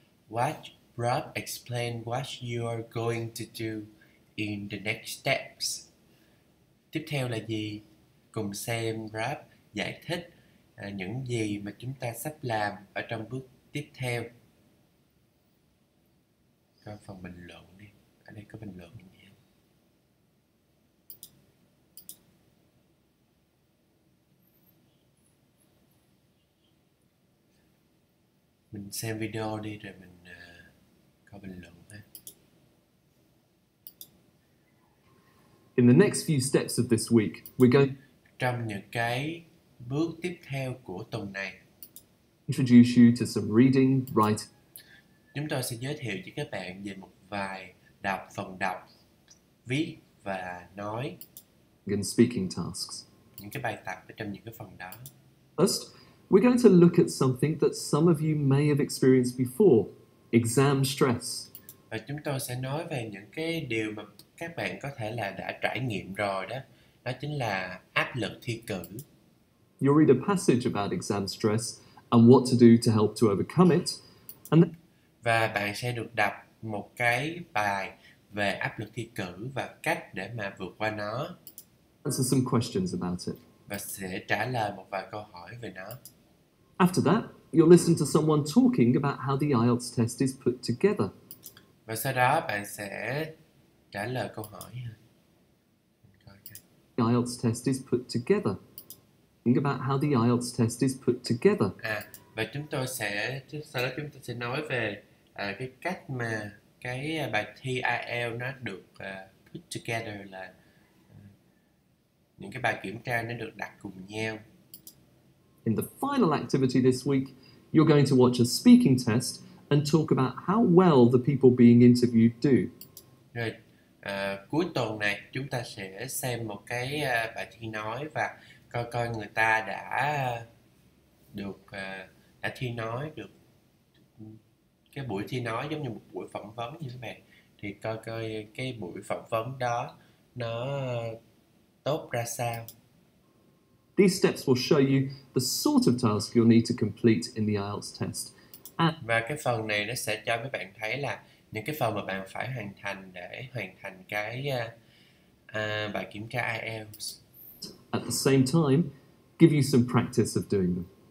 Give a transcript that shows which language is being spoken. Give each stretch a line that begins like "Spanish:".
English: What Rob explain what you are going to do in the next steps.
Vietnamese: Tiếp theo là gì? Cùng xem Rob giải thích những gì mà chúng ta sắp làm ở trong bước tiếp theo. Có phần bình luận đi. Ở đây có bình luận gì? Mình xem video đi rồi mình có bình luận ha.
English: In the next few steps of this week, we're going
Vietnamese: trong những cái bước tiếp theo của tuần này.
English: Introduce you to some reading, write.
Vietnamese: Chúng tôi sẽ giới thiệu cho các bạn về một vài đọc phần đọc, viết và nói.
English: And speaking tasks.
Vietnamese: Những cái bài tập ở trong những cái phần đó.
English: First, we're going to look at something that some of you may have experienced before, exam stress.
Vietnamese: Và chúng tôi sẽ nói về những cái điều mà các bạn có thể là đã trải nghiệm rồi đó, đó chính là áp lực thi cử.
English: You'll read a passage about exam stress and what to do to help to overcome it. And
Vietnamese: và bạn sẽ được đọc một cái bài về áp lực thi cử và cách để mà vượt qua nó.
English: Answer some questions about it.
Vietnamese: Và sẽ trả lời một vài câu hỏi về nó.
English: After that, you'll listen to someone talking about how the IELTS test is put together.
Vietnamese: Và sau đó bạn sẽ trả lời câu hỏi.
English: The IELTS test is put together. Think about how the IELTS test is put together.
Vietnamese: À, và chúng tôi sẽ sau đó chúng tôi sẽ nói về cái cách mà cái bài thi IELTS nó được
English: put together
Vietnamese: là những cái bài kiểm tra nó được đặt cùng nhau.
English: In the final activity this week, you're going to watch a speaking test and talk about how well the people being interviewed do.
Vietnamese: Rồi, cuối tuần này chúng ta sẽ xem một cái bài thi nói và coi coi người ta đã được đã thi nói được cái buổi thi nói giống như một buổi phỏng vấn như thế này, thì coi coi cái buổi phỏng vấn đó nó tốt ra sao.
English: These steps will show you the sort of task you'll need to complete in the IELTS test.
Vietnamese: And và cái phần này nó sẽ cho mấy bạn thấy là những cái phần mà bạn phải hoàn thành để hoàn thành cái bài kiểm tra IELTS.
English: At the same time, give you some practice of doing them.